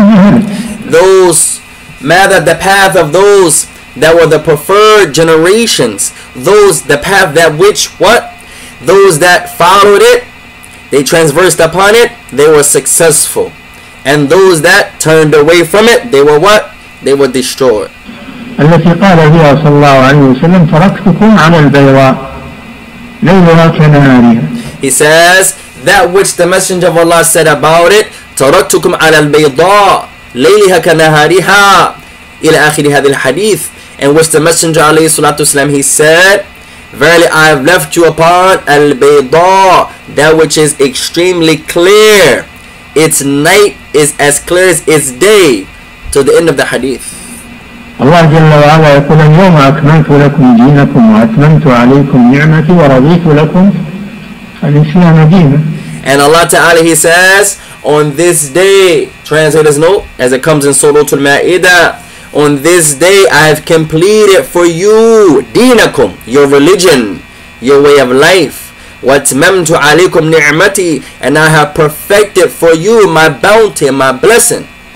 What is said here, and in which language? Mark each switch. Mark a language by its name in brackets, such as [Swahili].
[English] Those mother, the path of those that were the preferred generations, those the path that which what? Those that followed it, they transversed upon it, they were successful. And those that turned away from it, they were what? They were destroyed. [Arabic] التي قال فيها صلى الله عليه وسلم تركتكم على البيضاء ليلها كنهارها. [English] He says that which the Messenger of Allah said about it, [Arabic] تركتكم على البيضاء ليلها كنهارها إلى آخر هذا الحديث. [English] And which the Messenger [Arabic] عليه الصلاة والسلام, [English] he said, verily I have left you upon البيضاء, that which is extremely clear, its night is as clear as its day, to the end of the hadith. [Arabic] الله جل وعلا يقول اليوم أكملت لكم دينكم وأتممت عليكم نعمتي ورضيت لكم الإسلام دينا. [English] And Allah Ta'ala, He says, on this day, translator's note, as it comes in Surah Al-Ma'idah, on this day I have completed for you dinakum, your religion, your way of life. [Arabic] وَأَتْمَمْتُ عَلَيْكُمْ نِعْمَتِي, [English] and I have perfected for you my bounty, my blessing.